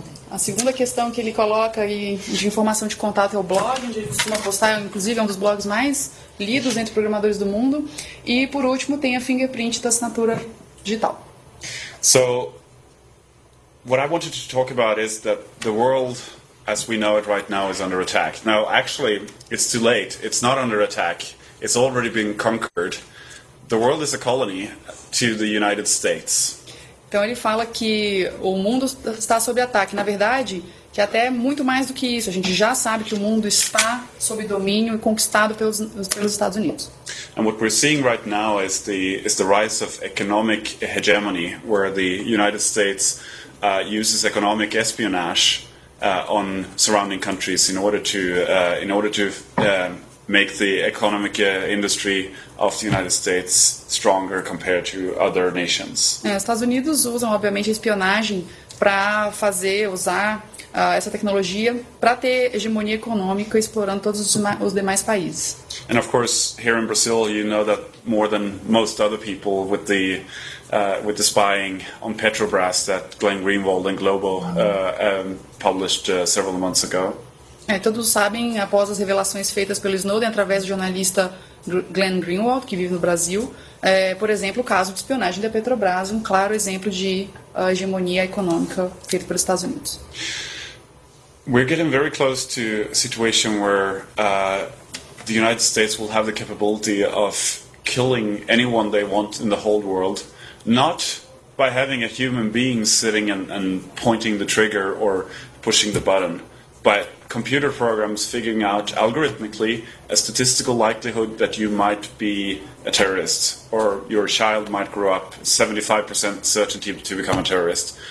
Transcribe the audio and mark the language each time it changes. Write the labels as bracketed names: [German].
[Portuguese] A segunda questão que ele coloca aí de informação de contato é o blog, onde ele costuma postar, inclusive é um dos blogs mais lidos entre programadores do mundo. E, por último, tem a fingerprint da assinatura digital. [English] So, what I wanted to talk about is that the world, as we know it right now, is under attack. Now, actually, it's too late. It's not under attack. It's already been conquered. The world is a colony to the United States. [Portuguese] Então, ele fala que o mundo está sob ataque. Na verdade, que até muito mais do que isso. A gente já sabe que o mundo está sob domínio e conquistado pelos Estados Unidos. [English] And what we're seeing right now is the rise of economic hegemony, where the United States uses economic espionage on surrounding countries in order to make the economic industry of the United States stronger compared to other nations. [Portuguese] Os Estados Unidos usam, obviamente, a espionagem para usar essa tecnologia para ter hegemonia econômica explorando todos os demais países. [English] And of course, here in Brazil, you know that more than most other people with the spying on Petrobras that Glenn Greenwald and Globo published several months ago. [Portuguese] Todos sabem, após as revelações feitas pelo Snowden através do jornalista Glenn Greenwald, que vive no Brasil, por exemplo, o caso de espionagem da Petrobras, um claro exemplo de hegemonia econômica feita pelos Estados Unidos. [English] We're getting very close to a situation where the United States will have the capability of killing anyone they want in the whole world, not by having a human being sitting and pointing the trigger or pushing the button, but computer programs figuring out algorithmically a statistical likelihood that you might be a terrorist or your child might grow up 75% certainty to become a terrorist.